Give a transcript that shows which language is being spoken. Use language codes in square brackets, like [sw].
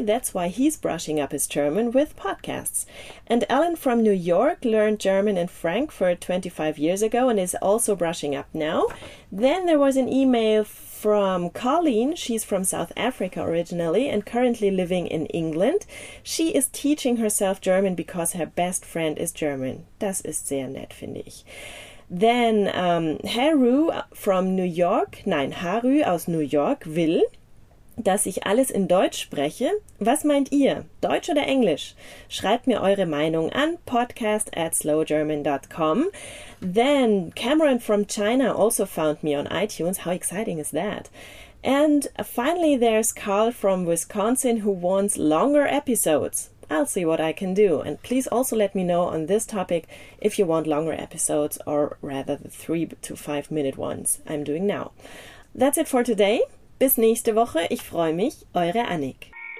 [en] That's why he's brushing up his German with podcasts. And Alan from New York learned German in Frankfurt 25 years ago and is also brushing up now. Then there was an email from Colleen. She's from South Africa originally and currently living in England. She is teaching herself German because her best friend is German. [de] Das ist sehr nett, finde ich. [en] Then Haru from New York, [de] nein, Haru aus New York will, dass ich alles in Deutsch spreche. Was meint ihr, Deutsch oder Englisch? Schreibt mir eure Meinung an podcast@slowgerman.com. [en] Then Cameron from China also found me on iTunes. How exciting is that? And finally there's Carl from Wisconsin who wants longer episodes. I'll see what I can do. And please also let me know on this topic if you want longer episodes, or rather the 3 to 5 minute ones I'm doing now. That's it for today. [de] Bis nächste Woche. Ich freue mich. Eure Annick.